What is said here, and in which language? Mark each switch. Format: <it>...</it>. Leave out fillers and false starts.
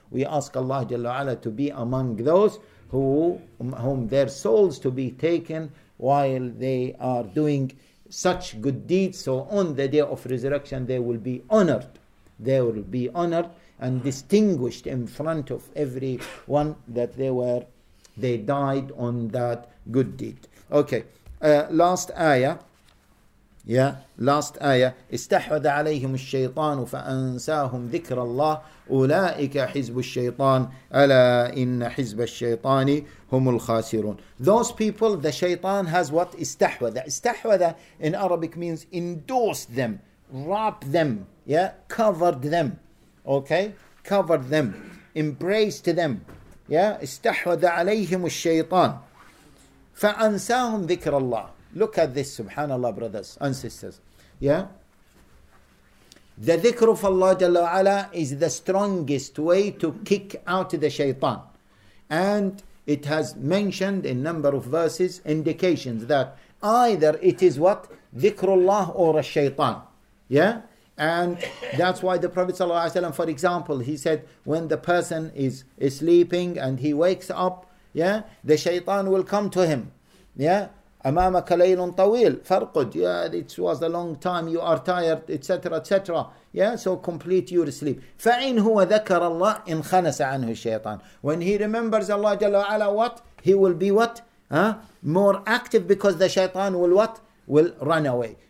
<en>We ask Allah Jalla wa'ala to be among those whom their souls to be taken while they are doing such good deeds. So on the day of resurrection, they will be honored. They will be honored and distinguished in front of everyone that they died on that good deed. Okay, last ayah. Yeah, last ayah.</en> <ar>استحوذ عليهم الشيطان فأنساهم ذكر الله أولئك حزب الشيطان ألا إن حزب الشيطان هم الخاسرون.</ar> <en>Those people, the shaitan has what?</en> <ar>استحوذ.</ar> <en>استحوذ in Arabic means endorsed them, wrapped them, yeah, covered them. Okay, covered them, embraced them.</en> <ar>Yeah, استحوذ عليهم الشيطان فأنساهم ذكر الله.</ar> <en>Look at this, subhanAllah, brothers and sisters. Yeah? The dhikr of Allah Jalla wa'ala is the strongest way to kick out the shaytan. And it has mentioned in number of verses indications that either it is what? Dhikrullah or a shaytan. Yeah? And that's why the Prophet Sallallahu Alaihi Wasallam, for example, he said when the person is sleeping and he wakes up, yeah, the shaytan will come to him.</en> <ar>Yeah? أمامك ليل طويل فارقد.</ar> <en>Yeah, it was a long time, you are tired, etc., etc. Yeah, so complete your sleep.</en> <ar>فإن هو ذكر الله إن خنس عنه الشيطان.</ar> <en>When he remembers Allah جل وعلا, what? He will be what? More active, because the shaitan will what? Will run away.</en>